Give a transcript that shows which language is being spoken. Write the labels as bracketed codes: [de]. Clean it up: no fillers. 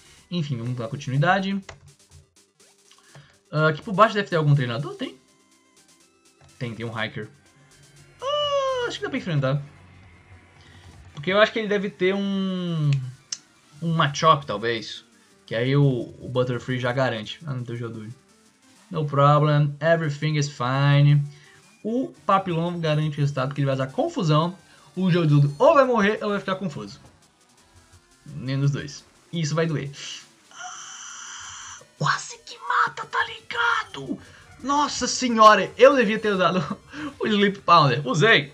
[pt] Enfim, vamos dar continuidade. Aqui por baixo deve ter algum treinador? Tem. Tem um Hiker. Acho que dá pra enfrentar. Porque eu acho que ele deve ter um matchup, talvez. Que aí o Butterfree já garante. Ah, não tem jogo duro. [en] No problem, everything is fine. [pt] O Papillon garante o resultado, que ele vai usar confusão. O Jodudo ou vai morrer ou vai ficar confuso. Nem dos dois. E isso vai doer. Quase que mata, tá ligado? Nossa senhora, eu devia ter usado o Sleep Powder. Usei?